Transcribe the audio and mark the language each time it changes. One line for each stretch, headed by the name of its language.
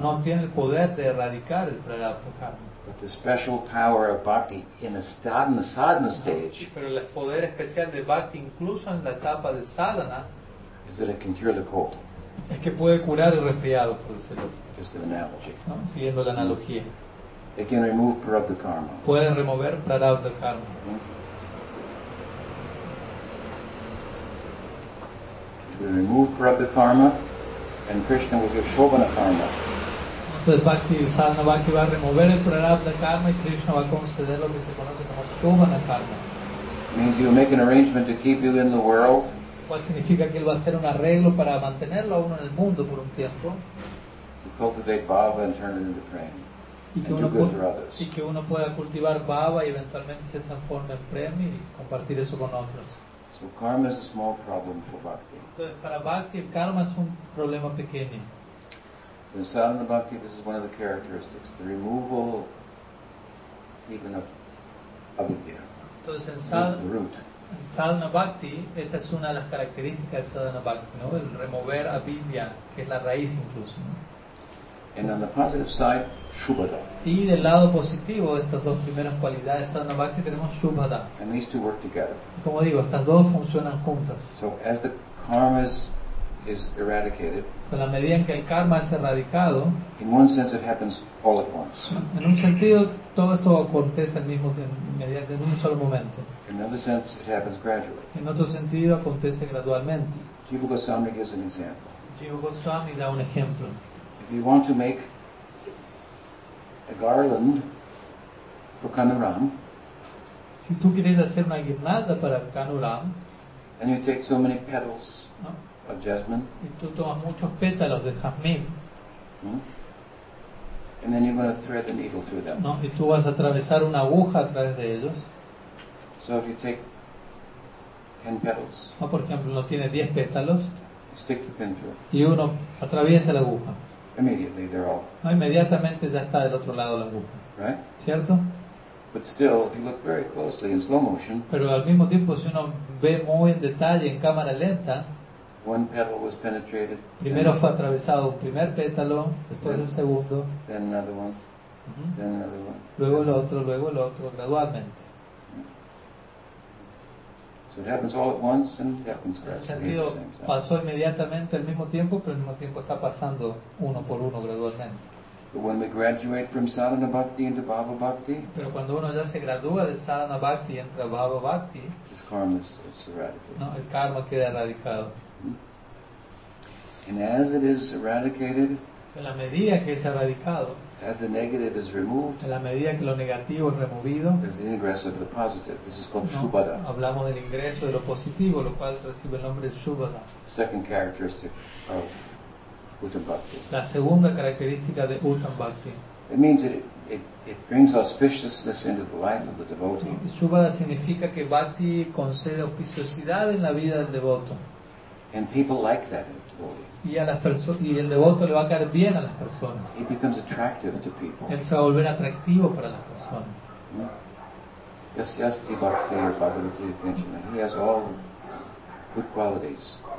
Spanish: No tiene el poder de erradicar el prarabdha karma.
English: But the special power of bhakti in the sadhana stage.
Spanish: Pero el poder especial de bhakti incluso en la etapa de sadhana.
English: Is that it can cure the cold.
Spanish: Es que puede curar el resfriado, por decirlo así.
English: Just an analogy.
Spanish: ¿No? Siguiendo la analogía.
English: It can remove prarabdha karma.
Spanish: Puede remover prarabdha karma.
English: We remove prarabdha karma, and Krishna will give shobhana karma.
Spanish: Entonces, bhakti, sadhana bhakti va a remover el prarabdha karma y Krishna va a conceder lo que se conoce como shobhana karma.
English: Means he will make an arrangement to keep you in the world.
Spanish: ¿Cuál significa que él va a hacer un arreglo para mantenerlo a uno en el mundo por un tiempo?
English: To cultivate bhava and turn it into prema.
Spanish: Y que uno pueda cultivar bhava y eventualmente se transforme en prema y compartir eso con otros.
English: So karma is a small problem for bhakti.
Spanish: Entonces, para bhakti, el karma es un problema pequeño.
English: In sadhana bhakti, this is one of the characteristics, the removal even of avidya.
Spanish: Entonces, en root. En sadhana bhakti, esta es una de las características de sadhana bhakti, ¿no? El remover avidya, que es la raíz incluso, ¿no?
English: And on the positive side, shubhada.
Spanish: Y del lado positivo de estas dos primeras cualidades de sadhana bhakti tenemos shubhada.
English: And these two work together.
Spanish: Como digo, estas dos funcionan juntas.
English: So as the karma is is eradicated.
Spanish: En la medida en que el karma es erradicado.
English: In one sense, it happens all at once.
Spanish: En un sentido, todo esto acontece al mismo tiempo, en un solo momento.
English: In another sense, it happens gradually.
Spanish: En otro sentido, acontece gradualmente.
English: Jiva Goswami gives an example.
Spanish: Jiva Goswami da un ejemplo.
English: If you want to make a garland for Kanuram,
Spanish: si tú quieres hacer una guirnalda para Kanuram,
English: and you take so many petals of jasmine,
Spanish: y tú tomas muchos pétalos de jazmín,
English: and then you're going to thread the needle through them.
Spanish: No, y tú vas a atravesar una aguja a través de ellos.
English: So if you take 10 petals,
Spanish: no, por ejemplo, no tiene 10 pétalos,
English: you stick the pin through,
Spanish: y uno atraviesa la aguja.
English: Immediately they're all.
Spanish: No, inmediatamente ya está del otro lado la aguja.
English: Right?
Spanish: ¿Cierto?
English: But still, if you look very closely in slow motion,
Spanish: pero al mismo tiempo, si uno ve muy en detalle en cámara lenta,
English: one petal was penetrated,
Spanish: primero fue atravesado un primer pétalo, después el segundo,
English: then another one, then another one,
Spanish: luego el otro, luego el otro, gradualmente.
English: So it happens all at once and it happens gradually.
Spanish: En el sentido, pasó inmediatamente al mismo tiempo, pero al mismo tiempo está pasando uno por uno gradualmente.
English: But when we graduate from sadhana bhakti into bhava bhakti,
Spanish: pero cuando uno ya se gradúa de sadhana bhakti y entra bhava bhakti,
English: this karma is eradicated.
Spanish: No, el karma queda erradicado.
English: And as it is eradicated,
Spanish: en la medida que es erradicado,
English: as the negative is removed,
Spanish: en la medida que lo negativo es removido,
English: there's the ingress of the positive. This is called shubhada.
Spanish: Hablamos del ingreso de lo positivo, lo cual recibe el nombre de shubhada.
English: Second characteristic of Uttam Bhakti.
Spanish: La segunda característica de Uttam Bhakti.
English: It means that it brings auspiciousness into the life of the devotee.
Spanish: Shubhada significa que Bhakti concede auspiciosidad en la vida del devoto.
English: And people like that in the devotee.
Spanish: Y a las personas, y el devoto le va a caer bien a las personas.
English: It becomes attractive to people.
Spanish: Él se va a volver atractivo para las personas.
English: Yes, yes, the Bhakti or Bhagavati attention. He has all good qualities.